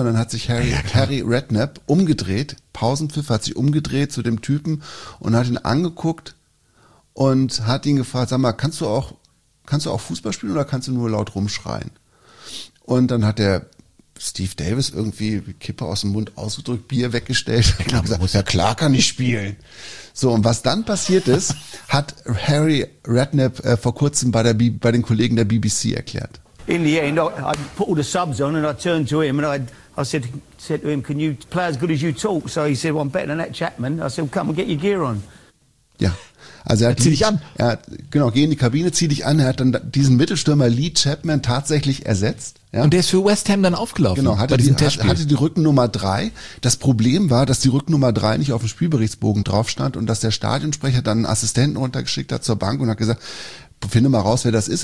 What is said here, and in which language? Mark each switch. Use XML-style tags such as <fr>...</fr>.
<de>Und dann hat sich Harry Redknapp umgedreht. Pausenpfiff, hat sich umgedreht zu dem Typen und hat ihn angeguckt und hat ihn gefragt, sag mal, kannst du auch Fußball spielen oder kannst du nur laut rumschreien? Und dann hat der Steve Davis irgendwie Kippe aus dem Mund ausgedrückt, Bier weggestellt. Ich glaube, gesagt, muss ja klar, kann ich spielen. So, und was dann passiert ist, hat Harry Redknapp vor kurzem bei den Kollegen der BBC erklärt.</de> <en>In the end, I put all the subs on and I turned to him and I said to him, can you play as good as you talk? So he said, well, I'm better than that Chapman. I said, well, come and get your gear on.</en> <de>Ja. Also geh in die Kabine, zieh dich an. Er hat dann diesen Mittelstürmer Lee Chapman tatsächlich ersetzt. Ja. Und der ist für West Ham dann aufgelaufen. Genau, hatte die Rückennummer 3. Das Problem war, dass die Rückennummer 3 nicht auf dem Spielberichtsbogen drauf stand und dass der Stadionsprecher dann einen Assistenten runtergeschickt hat zur Bank und hat gesagt, finde mal raus, wer das ist.</de>